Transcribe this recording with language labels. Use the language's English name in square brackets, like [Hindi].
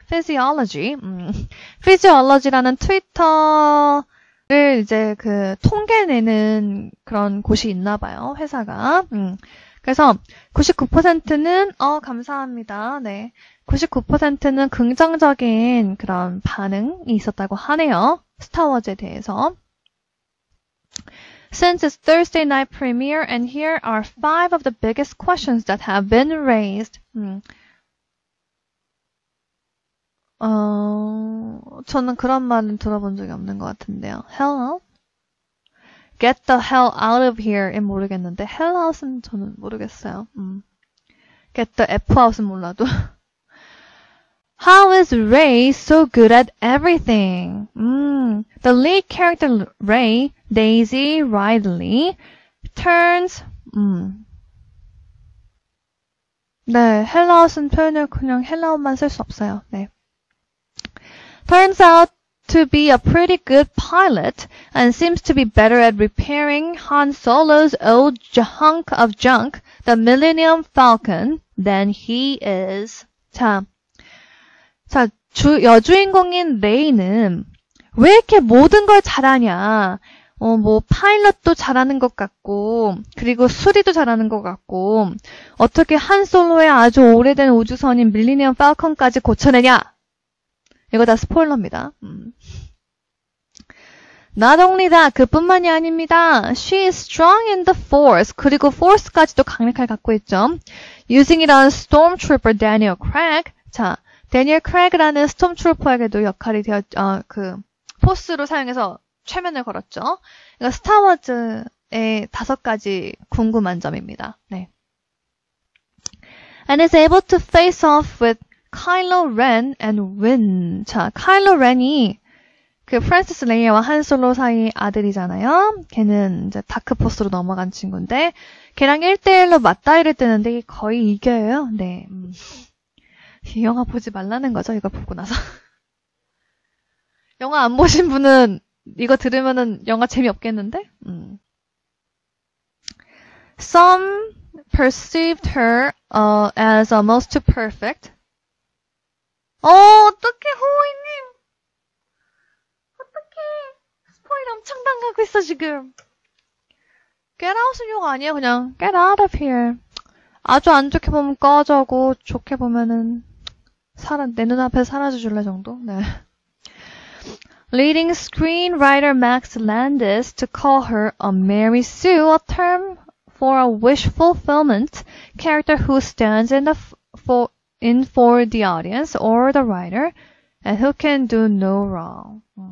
[Korean] Physiology라는 트위터를 이제 그 통계 내는 그런 곳이 있나 봐요. 회사가. 그래서 99%는 감사합니다. 네. 99%는 긍정적인 그런 반응이 있었다고 하네요. 스타워즈에 대해서. [English] Since it's Thursday night premiere, and here are five of the biggest questions that have been raised. [Korean] 저는 그런 말은 들어본 적이 없는 것 같은데요. [English] Hello? Get the hell out of here [Korean] 은 모르겠는데 Hell out은 저는 모르겠어요. [English] Get the F out [Korean] 은 몰라도 [English] How is Ray so good at everything? The lead character Ray, Daisy Ridley, turns... [Korean] 네, Hell out은 표현을 그냥 Hell out만 쓸 수 없어요. 네. [English] Turns out to be a pretty good pilot and seems to be better at repairing Han Solo's old hunk of junk, the Millennium Falcon, than he is. [Korean] 자, 여주인공인 레이는 왜 이렇게 모든 걸 잘하냐. 뭐 파일럿도 잘하는 것 같고 그리고 수리도 잘하는 것 같고 어떻게 한 솔로의 아주 오래된 우주선인 밀레니엄 팔컨까지 고쳐내냐. 이거 다 스포일러입니다. [English] Not only that, [Korean] 그뿐만이 아닙니다. [English] She is strong in the force. [Korean] 그리고 force까지도 강력할 갖고 있죠. [English] Using it on Stormtrooper Daniel Craig. [Korean] 자, 대니얼 크래그라는 스톰트루퍼에게도 역할이 되었죠. 포스로 사용해서 최면을 걸었죠. 이거 스타워즈의 다섯 가지 궁금한 점입니다. 네. [English] And is able to face off with Kylo Ren and win. [Korean] 자, Kylo Ren이 그 프랜시스 레이와 한 솔로 사이 아들이잖아요. 걔는 이제 다크 포스로 넘어간 친구인데 걔랑 1대1로 맞다이를 뜨는데 거의 이겨요. 네. 이 영화 보지 말라는 거죠, 이거 보고 나서. 영화 안 보신 분은 이거 들으면은 영화 재미없겠는데? [English] Some perceived her as almost too perfect. [Korean] 어떡해, 호이님! 어떡해! 스포일 엄청 당하고 있어, 지금! [English] Get out [Korean] 은 욕 아니에요, 그냥. [English] Get out of here. [Korean] 아주 안 좋게 보면 꺼져고, 좋게 보면은. 내 눈앞에 사라져줄래 정도? 네. [English] Leading screenwriter Max Landis to call her a Mary Sue, a term for a wish fulfillment character who stands in for the audience or the writer and who can do no wrong.